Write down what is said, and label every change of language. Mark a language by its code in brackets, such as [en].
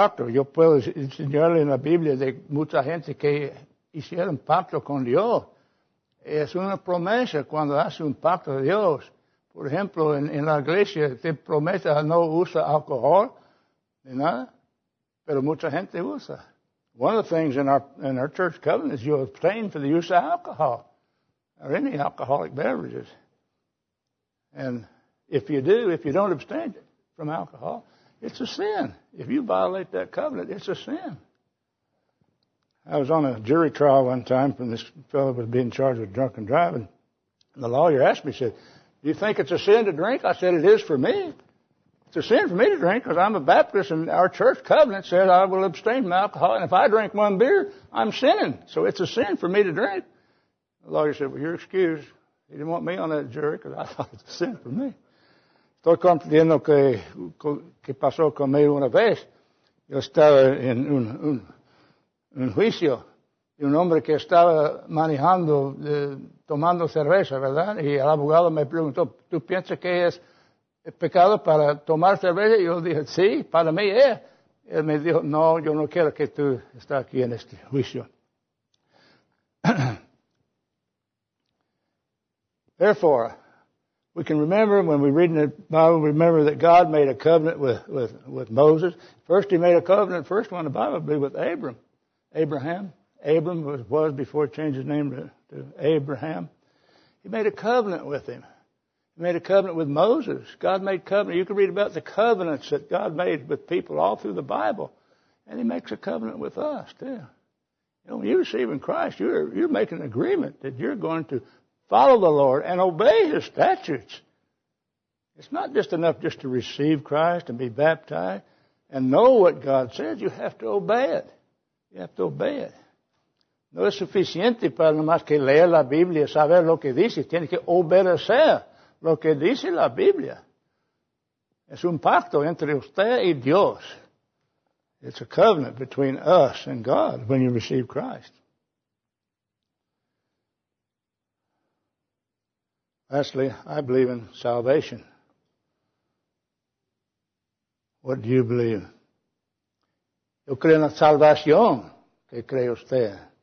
[es] Yo puedo enseñarle en la Biblia de mucha gente que hicieron un pacto con Dios. Es una promesa cuando hace un pacto de Dios. Por ejemplo, en la iglesia te promete a no usar alcohol ni nada, pero mucha gente usa. [en] One of the things in our church covenant is you abstain for the use of alcohol or any alcoholic beverages. And if you don't abstain from alcohol, it's a sin. If you violate that covenant, it's a sin. I was on a jury trial one time when this fellow was being charged with drunken driving. And the lawyer asked me, he said, do you think it's a sin to drink? I said, it is for me. It's a sin for me to drink because I'm a Baptist and our church covenant says I will abstain from alcohol. And if I drink one beer, I'm sinning. So it's a sin for me to drink. The lawyer said, well, you're excused. He didn't want me on that jury because I thought it's a sin for me. [es] Estoy comprendiendo que pasó conmigo una vez. Yo estaba en un juicio de un hombre que estaba manejando, tomando cerveza, ¿verdad? Y el abogado me preguntó, ¿tú piensas que es pecado para tomar cerveza? Y yo dije, sí, para mí es. Y él me dijo, no, yo no quiero que tú estés aquí en este juicio. [en] Therefore, we can remember when we read in the Bible, remember that God made a covenant with Moses. First, he made a covenant, first one in the Bible, I believe, with Abram. Abraham. Abram was before he changed his name to Abraham. He made a covenant with him. He made a covenant with Moses. God made covenant. You can read about the covenants that God made with people all through the Bible. And he makes a covenant with us, too. You know, when you receive in Christ, you're making an agreement that you're going to follow the Lord and obey His statutes. It's not just enough just to receive Christ and be baptized and know what God says. You have to obey it. You have to obey it. [es] No es suficiente para nomás que leer la Biblia y saber lo que dice. Tiene que obedecer lo que dice la Biblia. Es un pacto entre usted y Dios. [en] It's a covenant between us and God when you receive Christ. Lastly, I believe in salvation. What do you believe? [es] Yo creo en la salvación. ¿Qué cree usted?